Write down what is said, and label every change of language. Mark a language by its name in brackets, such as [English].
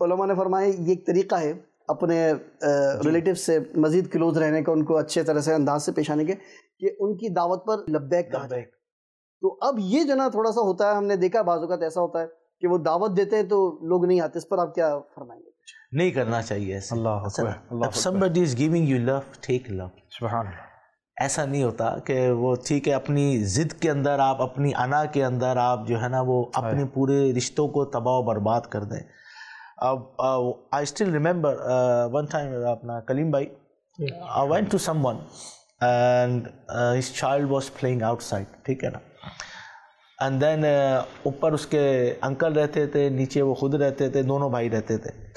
[Urdu] علماء نے فرمایا یہ ایک طریقہ ہے اپنے ریلیٹیو سے مزید کلوز رہنے کا, ان کو اچھے طرح سے انداز سے پیش آنے کے, کہ ان کی دعوت پر لبیک کہا جائے. تو اب یہ جو ہے نا تھوڑا سا ہوتا ہے, ہم نے دیکھا بعض اوقات ایسا ہوتا ہے کہ وہ دعوت دیتے ہیں تو لوگ نہیں آتے, اس پر آپ کیا فرمائیں گے؟ نہیں کرنا چاہیے ایسا. اللہ اکبر. [English] Somebody is giving you love, take love. [Urdu] سبحان اللہ. ایسا نہیں ہوتا کہ وہ ٹھیک ہے اپنی ضد کے اندر, آپ اپنی انا کے اندر آپ جو ہے نا وہ اپنے پورے رشتوں کو تباہ و برباد کر دیں. اب [English] I still remember one time [Urdu] اپنا کلیم بھائی, [English] I went to someone and his child was playing outside, [Urdu] ٹھیک ہے نا, [English] and then [Urdu] اوپر اس کے انکل رہتے تھے, نیچے وہ خود رہتے تھے, دونوں بھائی رہتے تھے.